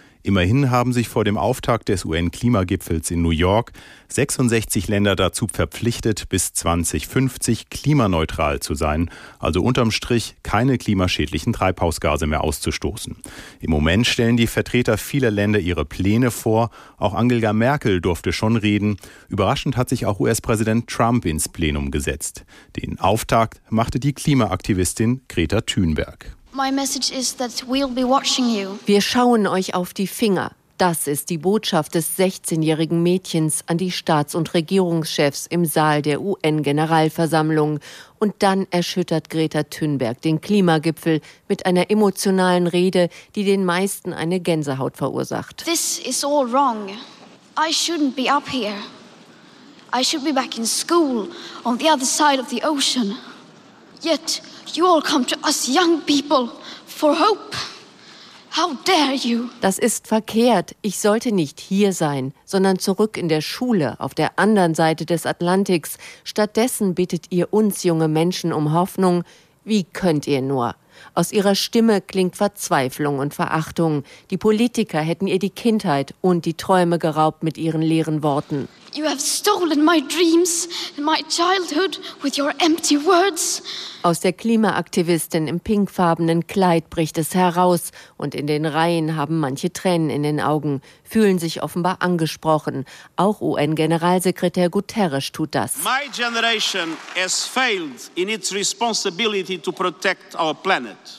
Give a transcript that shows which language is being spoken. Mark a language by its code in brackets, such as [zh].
[de] Immerhin haben sich vor dem Auftakt des UN-Klimagipfels in New York 66 Länder dazu verpflichtet, bis 2050 klimaneutral zu sein, also unterm Strich keine klimaschädlichen Treibhausgase mehr auszustoßen. Im Moment stellen die Vertreter vieler Länder ihre Pläne vor. Auch Angela Merkel durfte schon reden. Überraschend hat sich auch US-Präsident Trump ins Plenum gesetzt. Den Auftakt machte die Klimaaktivistin Greta Thunberg. [en] My message is that we'll be watching you. [de] Wir schauen euch auf die Finger. Das ist die Botschaft des 16-jährigen Mädchens an die Staats- und Regierungschefs im Saal der UN-Generalversammlung. Und dann erschüttert Greta Thunberg den Klimagipfel mit einer emotionalen Rede, die den meisten eine Gänsehaut verursacht. [en] This is all wrong. I shouldn't be up here. I should be back in school on the other side of the ocean. Yet you all come to us young people for hope. How dare you? [de] Das ist verkehrt. Ich sollte nicht hier sein, sondern zurück in der Schule auf der anderen Seite des Atlantiks. Stattdessen bittet ihr uns junge Menschen um Hoffnung. Wie könnt ihr nur? Aus ihrer Stimme klingt Verzweiflung und Verachtung. Die Politiker hätten ihr die Kindheit und die Träume geraubt mit ihren leeren Worten. [en] You have stolen my dreams and my childhood with your empty words. [de] Aus der Klimaaktivistin im pinkfarbenen Kleid bricht es heraus und in den Reihen haben manche Tränen in den Augen, fühlen sich offenbar angesprochen. Auch UN-Generalsekretär Guterres tut das. [en] My generation has failed in its responsibility to protect our planet.